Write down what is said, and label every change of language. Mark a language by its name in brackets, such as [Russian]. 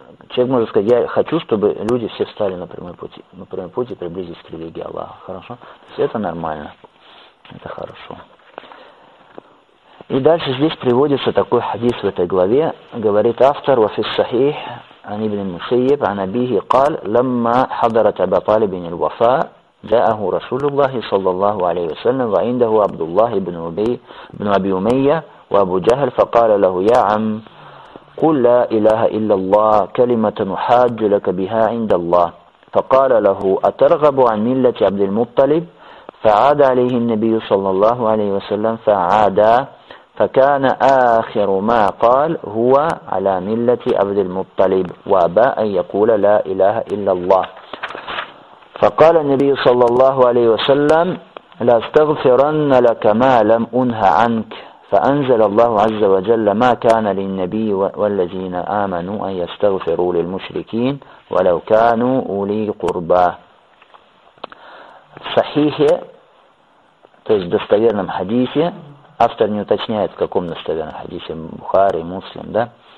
[Russian] Человек может сказать, я хочу, чтобы люди все встали на прямой пути и приблизились к религии Аллаха. Хорошо? То есть это нормально. Это хорошо. И дальше здесь приводится такой хадис в этой главе. Говорит автор, [Arabic] «Вафис сахих». عن ابن المسيب عن أبيه قال لما حضرت أبا طالب الوفاء جاءه رسول الله صلى الله عليه وسلم وعنده عبد الله بن أبي أمية وأبو جهل فقال له يا عم قل لا إله إلا الله كلمة أحاج لك بها عند الله فقال له أترغب عن ملة عبد المطلب فعاد عليه النبي صلى الله عليه وسلم فعاد فكان آخر ما قال هو على ملة عبد المطلب وأبى أن يقول لا إله إلا الله فقال النبي صلى الله عليه وسلم لا استغفرن لك ما لم أنه عنك فأنزل الله عز وجل ما كان للنبي والذين آمنوا أن يستغفروا للمشركين ولو كانوا أولي قربى صحيح [Russian] то есть в достоверном хадисе. Автор не уточняет, в каком достоверном хадисе, Бухари, Муслим, да?